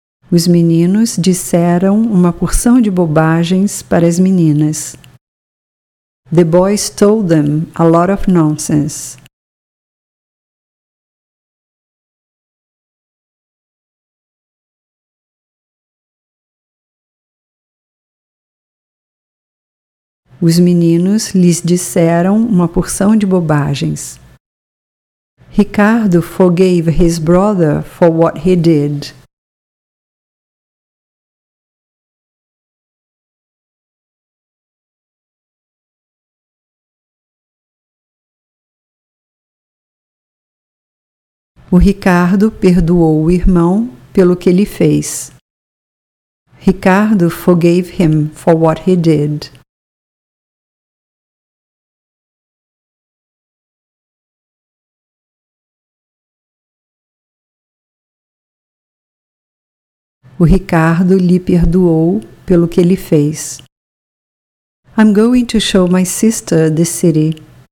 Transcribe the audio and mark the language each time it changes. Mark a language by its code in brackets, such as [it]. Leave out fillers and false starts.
[pt] Os meninos disseram uma porção de bobagens para as meninas. [en] The boys told them a lot of nonsense. [pt] Os meninos lhes disseram uma porção de bobagens. [en] Ricardo forgave his brother for what he did. [pt] O Ricardo perdoou o irmão pelo que ele fez. [en] Ricardo forgave him for what he did. [pt] O Ricardo lhe perdoou pelo que ele fez. [en] I'm going to show my sister the city.